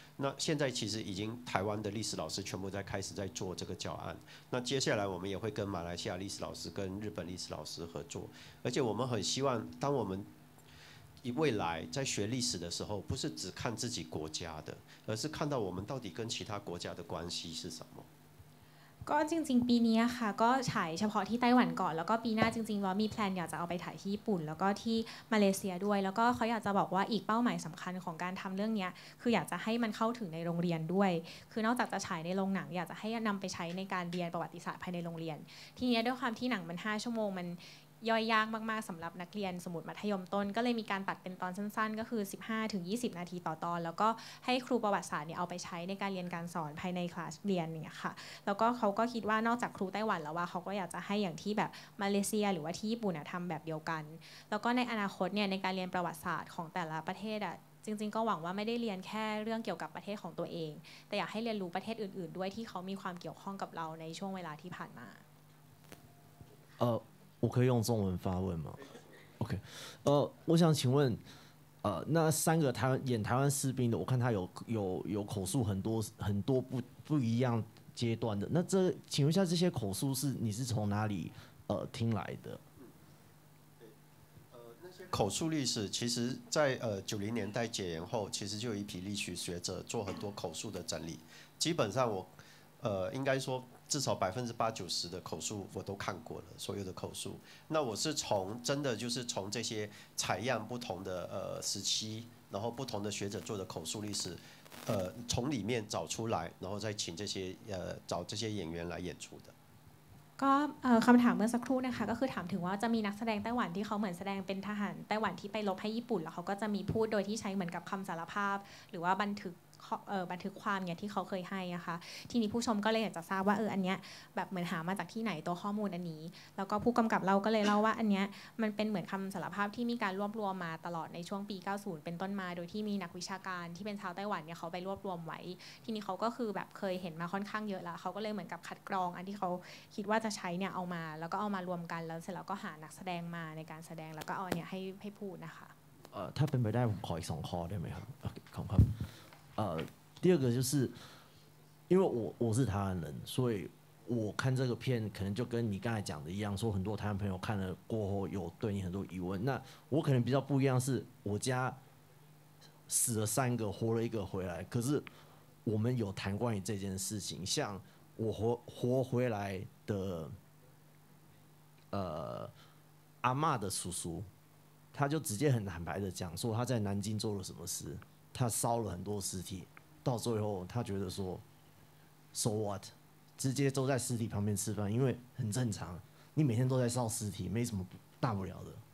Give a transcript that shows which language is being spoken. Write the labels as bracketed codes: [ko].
[zh] 那现在其实已经台湾的历史老师全部在开始在做这个教案。那接下来我们也会跟马来西亚历史老师、跟日本历史老师合作，而且我们很希望，当我们未来在学历史的时候，不是只看自己国家的，而是看到我们到底跟其他国家的关系是什么。 [th] ก็จริงๆปีนี้ค่ะก็ฉายเฉพาะที่ไต้หวันก่อนแล้วก็ปีหน้าจริงๆว่ามีแพลนอยากจะเอาไปถ่ายที่ญี่ปุ่นแล้วก็ที่มาเลเซียด้วยแล้วก็เขาอยากจะบอกว่าอีกเป้าหมายสำคัญของการทำเรื่องนี้คืออยากจะให้มันเข้าถึงในโรงเรียนด้วยคือนอกจากจะฉายในโรงหนังอยากจะให้นำไปใช้ในการเรียนประวัติศาสตร์ภายในโรงเรียนทีนี้ด้วยความที่หนังมัน5 ชั่วโมงมัน ย่อยยากมากๆสำหรับนักเรียนสมุดมัธยมต้นก็เลยมีการตัดเป็นตอนสั้นๆก็คือ15-20 นาทีต่อตอนแล้วก็ให้ครูประวัติศาสตร์เนี่ยเอาไปใช้ในการเรียนการสอนภายในคลาสเรียนเนี่ยค่ะแล้วก็เขาก็คิดว่านอกจากครูไต้หวันแล้วว่าเขาก็อยากจะให้อย่างที่แบบมาเลเซียหรือว่าที่ญี่ปุ่นทำแบบเดียวกันแล้วก็ในอนาคตเนี่ยในการเรียนประวัติศาสตร์ของแต่ละประเทศอ่ะจริงๆก็หวังว่าไม่ได้เรียนแค่เรื่องเกี่ยวกับประเทศของตัวเองแต่อยากให้เรียนรู้ประเทศอื่นๆด้วยที่เขามีความเกี่ยวข้องกับเราในช่วงเวลาที่ผ่านมา [zh] 我可以用中文发问吗 ？OK， 我想请问，那三个台湾演台湾士兵的，我看他有口述很多很多不一样阶段的。那这请问一下，这些口述是你是从哪里听来的？口述历史其实在90年代解严后，其实就有一批历史学者做很多口述的整理。基本上我应该说。至少80-90%的口述我都看过了，所有的口述。那我是从真的就是从这些采样不同的时期，然后不同的学者做的口述历史，从里面找出来，然后再请这些找这些演员来演出的。 [th] ก็คำถามเมื่อสักครู่นะคะก็คือถามถึงว่าจะมีนักแสดงไต้หวันที่เขาเหมือนแสดงเป็นทหารไต้หวันที่ไปรบให้ญี่ปุ่นแล้วเขาก็จะมีพูดโดยที่ใช้เหมือนกับคำสารภาพหรือว่าบันทึก บันทึกความเนี่ยที่เขาเคยให้นะคะทีนี้ผู้ชมก็เลยอยากจะทราบว่าอันเนี้ยแบบเหมือนหามาจากที่ไหนตัวข้อมูลอันนี้แล้วก็ผู้กำกับเราก็เลยเล่าว่าอันเนี้ยมันเป็นเหมือนคำสารภาพที่มีการรวบรวมมาตลอดในช่วงปี90เป็นต้นมาโดยที่มีนักวิชาการที่เป็นชาวไต้หวันเนี่ยเขาไปรวบรวมไว้ทีนี้เขาก็คือแบบเคยเห็นมาค่อนข้างเยอะแล้วเขาก็เลยเหมือนกับคัดกรองอันที่เขาคิดว่าจะใช้เนี่ยเอามาแล้วก็เอามารวมกันแล้วเสร็จแล้วก็หานักแสดงมาในการแสดงแล้วก็เอาเนี่ยให้พูดนะคะ ถ้าเป็นไปได้ผมขออีก2 คอได้ไหมครับขอบคุณ [zh] 第二个就是因为我是台湾人，所以我看这个片可能就跟你刚才讲的一样，说很多台湾朋友看了过后有对你很多疑问。那我可能比较不一样是我家死了3个活了1个回来，可是我们有谈关于这件事情，像我 活回来的阿嬷的叔叔，他就直接很坦白的讲说他在南京做了什么事，他烧了很多尸体，到最后他觉得说 ， [en] so what， [zh] 直接都在尸体旁边吃饭，因为很正常，你每天都在烧尸体，没什么大不了的。